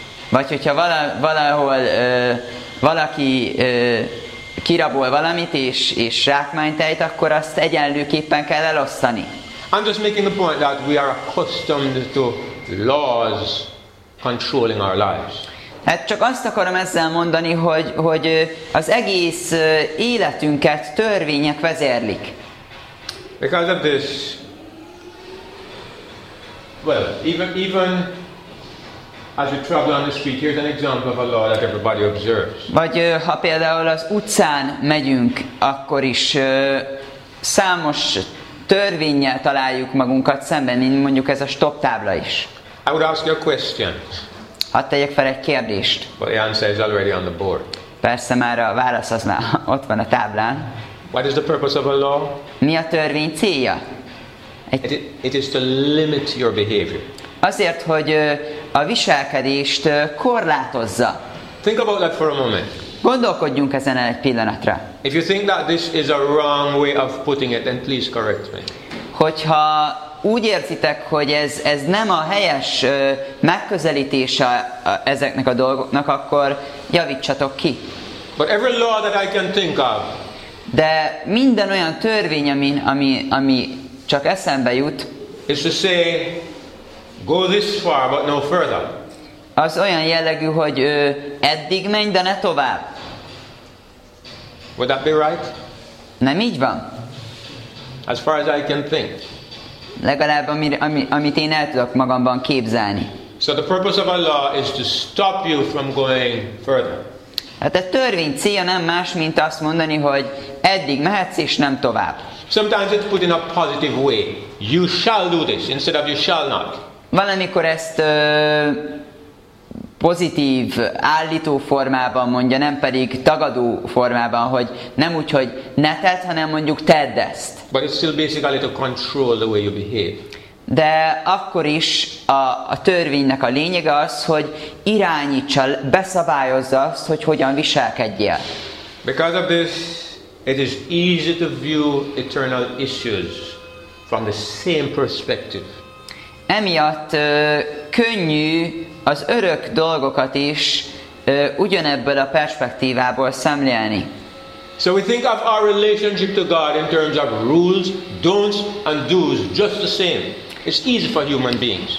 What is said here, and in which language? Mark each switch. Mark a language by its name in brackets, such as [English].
[Hungarian] Vagy hogyha valahol valaki kirabol valamit és zsákmányt ejt, akkor azt egyenlőképpen kell elosztani. [English] I'm just making the point that we are accustomed to laws controlling our lives. [Hungarian] Hát csak azt akarom ezzel mondani, hogy az egész életünket törvények vezérlik. [English] Because of this, well, even as you travel on the street, here's an example of a law that everybody observes. [Hungarian] Vagy ha például az utcán megyünk, akkor is számos törvénnyel találjuk magunkat szemben, mint mondjuk ez a stop tábla is. [English] I would ask you a question. [Hungarian] Hadd tegyek fel egy kérdést. [English] But the answer is already on the board. [Hungarian] Persze már a válasz az már ott van a táblán. [English] What is the purpose of a law? [Hungarian] Mi a törvény célja? [English] It is to limit your behavior. [Hungarian] Azért, hogy a viselkedést korlátozza. [English] Think about that for a moment. [Hungarian] Gondolkodjunk ezen egy pillanatra. [English] If you think that this is a wrong way of putting it, then please correct me. [Hungarian] Hogyha úgy érzitek, hogy ez nem a helyes megközelítése ezeknek a dolgoknak, akkor javítsatok ki. [English] But every law that I can think of. [Hungarian] De minden olyan törvény, ami csak eszembe jut. [English] Is to say, go this far, but no further. [Hungarian] Az olyan jellegű, hogy eddig menj, de ne tovább. [English] Would that be right? [Hungarian] Nem így van. [English] As far as I can think. [Hungarian] Legalább amit én el tudok magamban képzelni. [English] So the purpose of a law is to stop you from going further. [Hungarian] Hát a törvény célja nem más, mint azt mondani, hogy eddig mehetsz és nem tovább. [English] Sometimes it's put in a positive way. You shall do this instead of you shall not. [Hungarian] Valamikor ezt pozitív állító formában mondja, nem pedig tagadó formában, hogy nem úgy, hogy ne tedd, hanem mondjuk tedd ezt. [English] But it's still basically to control the way you behave. [Hungarian] De akkor is a törvénynek a lényege az, hogy irányítsa, beszabályozza azt, hogy hogyan viselkedjél. [English] Because of this, it is easy to view eternal issues from the same perspective. [Hungarian] Emiatt könnyű az örök dolgokat is ugyanebből a perspektívából szemlélni. [English] So we think of our relationship to God in terms of rules, don'ts and do's just the same. It's easy for human beings.